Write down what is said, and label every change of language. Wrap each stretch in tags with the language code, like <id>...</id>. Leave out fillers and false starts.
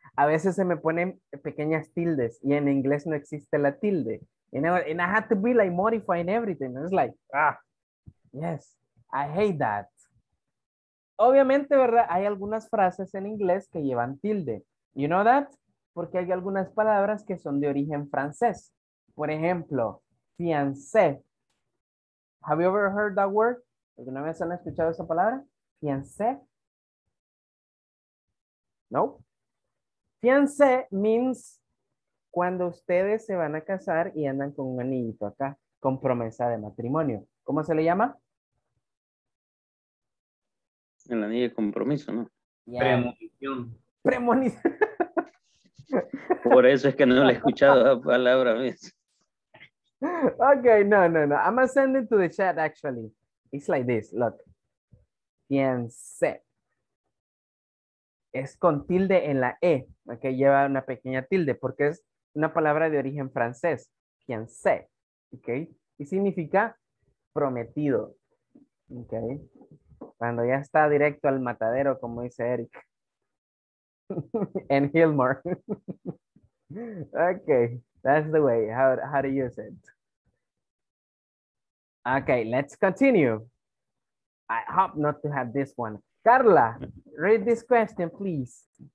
<es>A veces se me ponen pequeñas tildes y en inglés no existe la tilde.</es> <en>And I had to be like modifying everything. It's like, ah, yes, I hate that.</en> <es>Obviamente, ¿verdad? Hay algunas frases en inglés que llevan tilde.</es> <en>You know that?</en> <es>Porque hay algunas palabras que son de origen francés. Por ejemplo,</es> <en>fiancé. Have you ever heard that word?</en> <es>¿Alguna vez han escuchado esa palabra? Fiancé. No. Fiancé means cuando ustedes se van a casar y andan con un anillito acá, con promesa de matrimonio. ¿Cómo se le llama? El anillo de compromiso, ¿no? Yeah. Premonición. Premonición. Por eso es que no le he escuchado la palabra. Mis. Ok, no.</es> <en>I'm going to send it to the chat, actually. It's like this, look. Fiancé.</en> <es>Es con tilde en la E, que okay, lleva una pequeña tilde, porque es una palabra de origen francés, fiancé, ¿ok? Y significa prometido, ¿ok? Cuando ya está directo al matadero, como dice Eric. En Hilmar.</es> <en>Ok, that's the way, how to use it. Ok, let's continue. I hope not to have this one. Carla, read this question, please.</en>